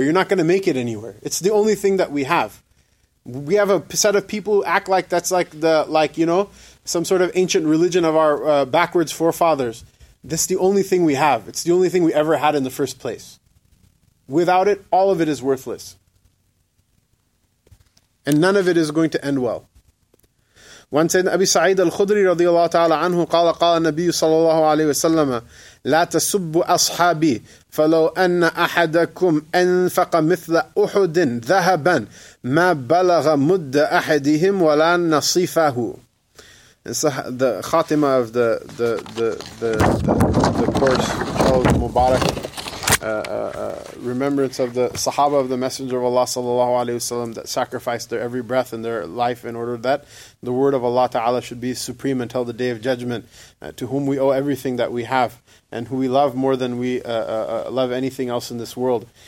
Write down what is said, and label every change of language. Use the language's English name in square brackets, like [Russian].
[English] You're not going to make it anywhere. It's the only thing that we have. We have a set of people who act like that's like the, like, you know, some sort of ancient religion of our backwards forefathers. This is the only thing we have. It's the only thing we ever had in the first place. Without it, all of it is worthless. And none of it is going to end well. One said, [Arabic] Abi Sa'id al-Khudri radiallahu ta'ala anhu, qala Nabi sallallahu alayhi wa sallam, لا تسبوا أصحابي فلو أن أحدكم أنفق مثل أحد ذهبا ما بلغ مد أحدهم ولا نصيفه. [English] It's the khatima of the course called Mubarak, remembrance of the Sahaba of the Messenger of Allah sallallahu alaihi wasallam that sacrificed their every breath and their life in order that the word of Allah ta'ala should be supreme until the day of judgment, to whom we owe everything that we have and who we love more than we love anything else in this world.